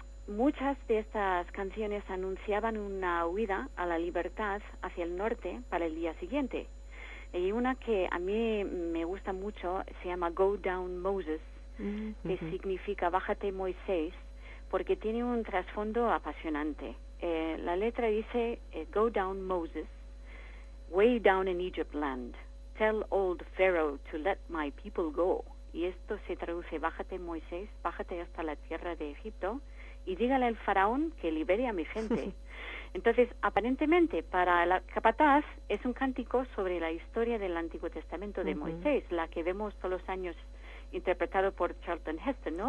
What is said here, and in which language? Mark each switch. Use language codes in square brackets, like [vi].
[es] Muchas de estas canciones anunciaban una huida a la libertad hacia el norte para el día siguiente. Y una que a mí me gusta mucho se llama Go Down Moses, mm-hmm. que significa Bájate Moisés, porque tiene un trasfondo apasionante. La letra dice, [en] Go Down Moses, way down in Egypt land, tell old Pharaoh to let my people go. [es] Y esto se traduce, Bájate Moisés, bájate hasta la tierra de Egipto, y dígale al faraón que libere a mi gente. Entonces, aparentemente, para la capataz, es un cántico sobre la historia del Antiguo Testamento de uh-huh. Moisés, la que vemos todos los años interpretado por Charlton Heston, ¿no?